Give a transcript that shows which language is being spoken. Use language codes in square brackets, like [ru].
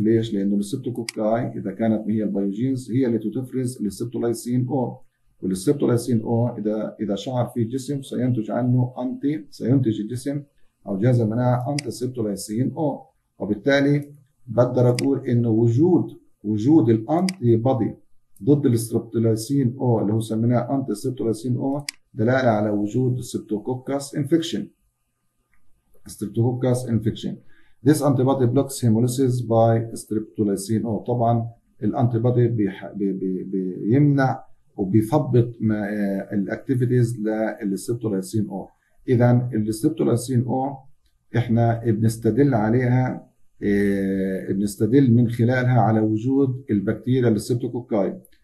[ar] ليش؟ لأنه الستريبتوكوكاي إذا كانت هي البيوجينز هي التي تفرز الستريبتولايسين أو، والستريبتولايسين أو إذا شعر في جسم سينتج عنه أنتي، سينتج الجسم أو جهاز المناعة أنتي ستريبتولايسين أو، وبالتالي بقدر أقول إنه وجود الأنتي بادي ضد الستريبتولايسين أو اللي هو سميناه أنتي ستريبتولايسين أو دلالة على وجود ستريبتوكوكس انفكشن. ستريبتوكوكس انفكشن. [en] This antibody blocks hemolysis by streptolysin O. [ar] طبعا الانتيبادي بيمنع وبيثبط الاكتيفيتيز للستريبتولايسين O. اذا الستريبتولايسين O احنا بنستدل عليها، بنستدل من خلالها على وجود البكتيريا الستريبتوكوكاي.